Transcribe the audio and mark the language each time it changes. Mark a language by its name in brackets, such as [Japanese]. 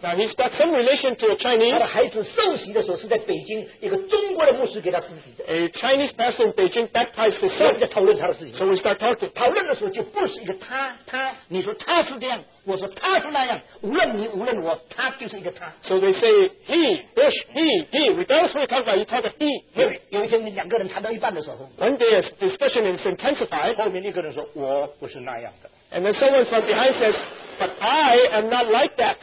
[English] Now he's got some relation to a Chinese. [Chinese] 他的孩子受洗的时候是在北京一个中国的牧师给他施洗的。 [English] A Chinese pastor in Beijing baptized his son. [Chinese] 我们在讨论他的事情。 [English] So we start talking. [Chinese] 讨论的时候就 Bush 一个他，你说他是这样。我说他是那样，无论你无论我，他就是一个他。 [English] So they say he, Bush, he. Regardless who you talk about, you talk about he. [Chinese] 有一天你两个人谈到一半的时候， [English] One day a discussion is intensified. [Chinese] 后面一个人说我不是那样的。 [English] And then someone from behind says, but I am not like that.